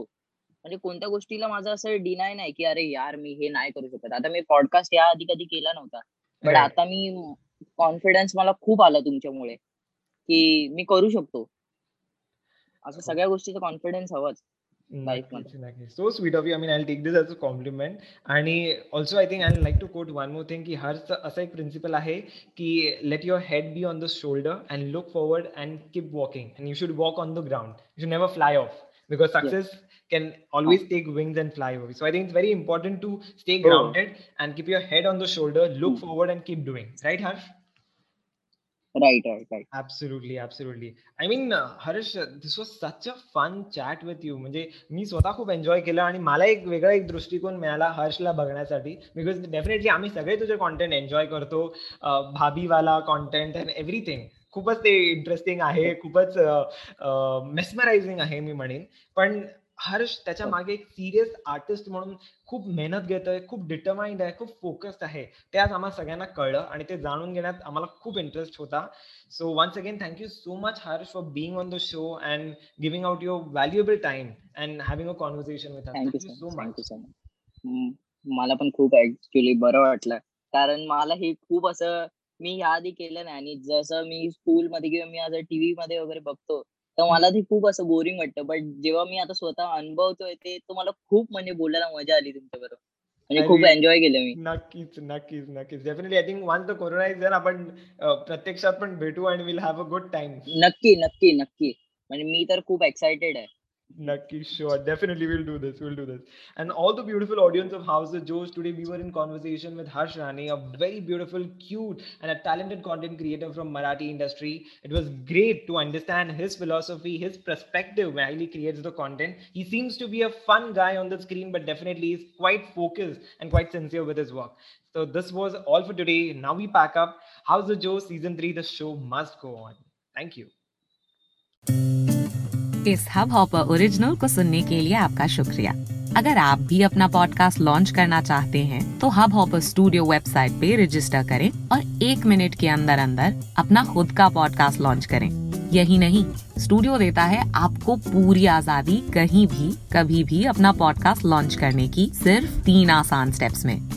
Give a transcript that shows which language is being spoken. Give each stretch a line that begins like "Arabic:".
Marathi: म्हणजे कोणत्या गोष्टीला माझं असं डिनाय नाही की अरे यार मी हे नाही करू शकत. आता मी पॉडकास्ट या आधी कधी केला नव्हता, बट आता मी कॉन्फिडन्स मला खूप आला तुमच्यामुळे की मी करू शकतो. असं सगळ्या गोष्टीचं कॉन्फिडन्स हवंच.
English: So sweet of you, I mean I take this as a compliment. आणि also I think I like to quote one more thing,
Marathi: की हर्ष असं एक प्रिन्सिपल आहे की
English: Let your head be on the shoulder and look forward and keep walking and you should walk on the ground, you should never fly off, because success can always take wings and fly over. So I think it's very important to stay grounded and keep your head on the shoulder, look forward and keep doing. Right Harsh? Right. Absolutely, absolutely. I mean, Harish, this was such a fun chat with you.
Marathi: म्हणजे मी स्वतः खूप enjoy केलं आणि मला एक वेगळा एक दृष्टिकोन मिळाला हर्षला बघण्यासाठी. बिकॉज डेफिनेटली आम्ही सगळे तुझे कॉन्टेंट एन्जॉय करतो, भाभीवाला कॉन्टेंट
English: And everything.
Marathi: खूपच ते इंटरेस्टिंग आहे, खूपच मेस्मरायझिंग आहे मी म्हणेन. पण हर्ष त्याच्या मागे एक सिरियस आर्टिस्ट म्हणून खूप मेहनत घेतोय, खूप डिटरमाइंड आहे, खूप फोकस्ड आहे, ते आज आम्हाला सगळ्यांना कळलं आणि ते जाणून घेण्यात आम्हाला खूप इंटरेस्ट होता.
English: So once again thank you so much Harsh for being on the show and giving out your valuable time and having a conversation with us. Thank you so much.
Marathi: मला पण खूप ऍक्च्युली बरं वाटलं, कारण मला हे खूप असं मी याआधी केलं नाही. आणि जसं मी स्कूलमध्ये किंवा मी आज टीव्ही मध्ये वगैरे बघतो तर मला ते खूप असं बोरिंग वाटतं, बट जेव्हा मी आता स्वतः अनुभवतोय ते, तर मला खूप म्हणजे बोलायला मजा आली तुमच्या बरोबर. म्हणजे खूप एन्जॉय केलं मी. नक्कीच नक्कीच नक्कीच,
English: Definitely. I think once the corona is there
Marathi: आपण प्रत्यक्षात पण भेटू
English: And we will have a good time.
Marathi: नक्की नक्की नक्की, म्हणजे मी तर खूप एक्साइटेड आहे.
English: Nakki, sure, definitely we'll do this. And all the beautiful audience of House of Joes, today we were in conversation with Harsh Rane, a very beautiful, cute and a talented content creator from Marathi industry. It was great to understand his philosophy, his perspective while he creates the content. He seems to be a fun guy on the screen, but definitely is quite focused and quite sincere with his work. So this was all for today. Now we pack up. House of Joes season 3, the show must go on. Thank you.
Hindi: इस hub hopper original को सुनने के लिए आपका शुक्रिया. अगर आप भी अपना पॉडकास्ट लॉन्च करना चाहते हैं तो हब हॉपर स्टूडियो वेबसाइट पे रजिस्टर करें और एक मिनट के अंदर अंदर अपना खुद का पॉडकास्ट लॉन्च करें. यही नहीं, स्टूडियो देता है आपको पूरी आजादी कहीं भी कभी भी अपना पॉडकास्ट लॉन्च करने की, सिर्फ 3 आसान स्टेप्स में.